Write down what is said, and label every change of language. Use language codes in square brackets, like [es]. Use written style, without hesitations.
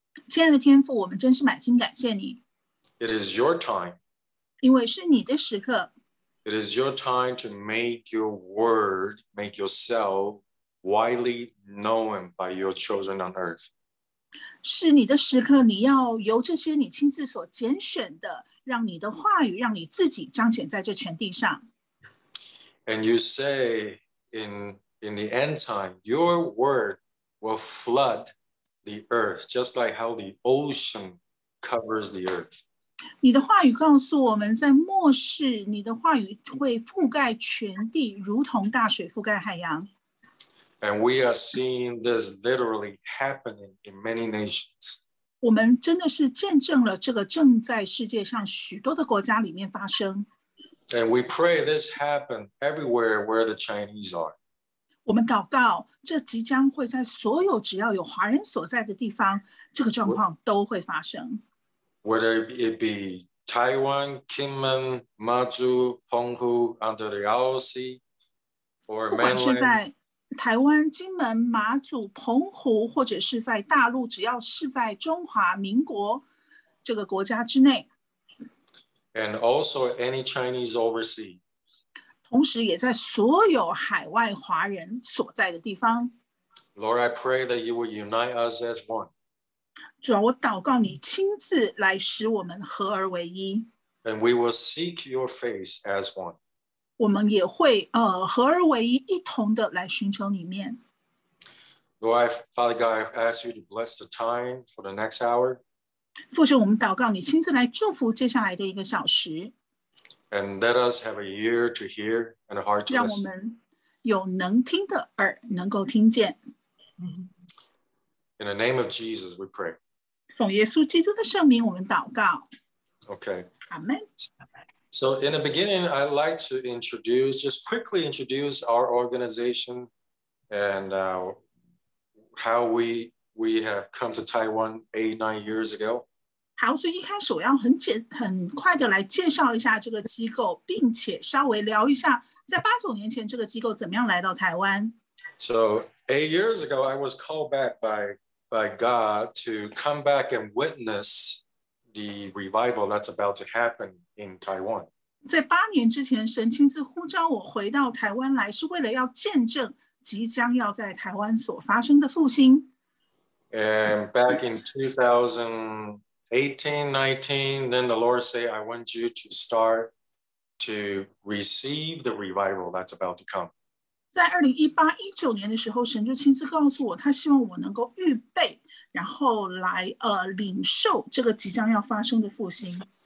[zh] 亲爱的天父，我们真是满心感谢你。 [en] It is your time. [zh] 因为是你的时刻。 [en] It is your time to make your word, make yourself widely known by your children on earth. [zh] 是你的时刻，你要由这些你亲自所拣选的，让你的话语，让你自己彰显在这全地上。 [en] And you say in the end time, your word will flood the earth, just like how the ocean covers the earth. [zh] 你的话语告诉我们，在末世，你的话语会覆盖全地，如同大水覆盖海洋。 [en] And we are seeing this literally happening in many nations. [zh] 我们真的是见证了这个正在世界上许多的国家里面发生。 [en] And we pray this happen everywhere where the Chinese are. [zh] 我们祷告，这即将会在所有只要有华人所在的地方，这个状况都会发生。 [en] Whether it be Taiwan, Kinmen, Mazu, Penghu, under the ROC, or mainland. [zh] 台湾、金门、马祖、澎湖，或者是在大陆，只要是在中华民国这个国家之内 [en] ，and also any Chinese overseas， [zh] 同时也在所有海外华人所在的地方。 [en] Lord, I pray that you will unite us as one。 [zh] 主啊，我祷告你亲自来使我们合而为一。 [en] And we will seek your face as one。 [zh] 我们也会合而为一，一同的来寻求你面。 [en] Lord, Father God, I ask you to bless the time for the next hour. [zh] 父神，我们祷告你亲自来祝福接下来的一个小时。 [en] And let us have a ear to hear and a heart to listen. [zh] 让我们有能听的耳，能够听见。 [en] In the name of Jesus, we pray. [zh] 奉耶稣基督的圣名，我们祷告。 [en] Okay. Amen. So in the beginning, I'd like to introduce, just quickly introduce our organization and how we have come to Taiwan 8-9 years ago. [zh] 好，所以一开始我要很快的来介绍一下这个机构，并且稍微聊一下在8-9年前这个机构怎么样来到台湾。 [en] So 8 years ago, I was called back by God to come back and witness the revival that's about to happen. In Taiwan. [zh] 在八年之前，神亲自呼召我回到台湾来，是为了要见证即将要在台湾所发生的复兴。 [en] And back in 2018-19, then the Lord said, I want you to start to receive the revival that's about to come. [zh] 在2018-19年的时候，神就亲自告诉我，他希望我能够预备，然后来领受这个即将要发生的复兴。